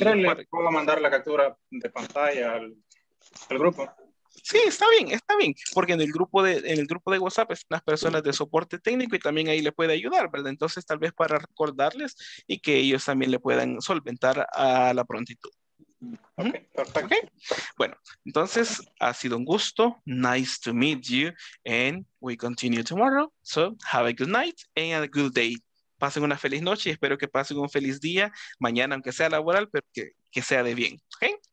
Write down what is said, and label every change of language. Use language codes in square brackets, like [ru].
[es] le pueda mandar la captura de pantalla al grupo. Sí, está bien, porque en el grupo de WhatsApp están las personas de soporte técnico y también ahí le puede ayudar, ¿verdad? Entonces, tal vez para recordarles y que ellos también le puedan solventar a la prontitud. Ok, perfecto. Okay. Bueno, entonces, ha sido un gusto. [en] Nice to meet you and we continue tomorrow. So, have a good night and a good day. [es] Pasen una feliz noche y espero que pasen un feliz día mañana, aunque sea laboral, pero que sea de bien, ¿ok?